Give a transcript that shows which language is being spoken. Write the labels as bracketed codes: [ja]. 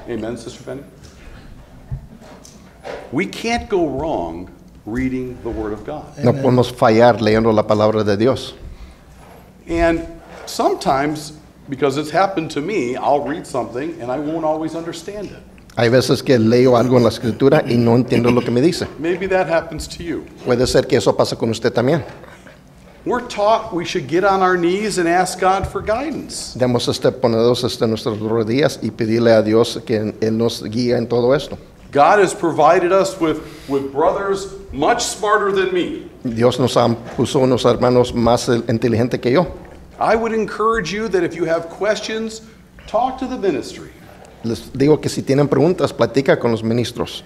[en] Amen, Sister Penny. We can't go wrong reading the Word of God. [es] No podemos fallar leyendo la palabra de Dios. [en] And sometimes, because it's happened to me, I'll read something and I won't always understand it. [es] Hay veces que leo algo en la escritura y no entiendo lo que me dice. [en] Maybe that happens to you. [es] Puede ser que eso pase con usted también. [en] We're taught we should get on our knees and ask God for guidance. [es] Debemos ponernos en nuestras rodillas y pedirle a Dios que Él nos guíe en todo esto. [en] God has provided us with brothers much smarter than me. [es] Dios nos ha puesto unos hermanos más inteligentes que yo. [en] I would encourage you that if you have questions, talk to the ministry. [es] Les digo que si tienen preguntas, platica con los ministros.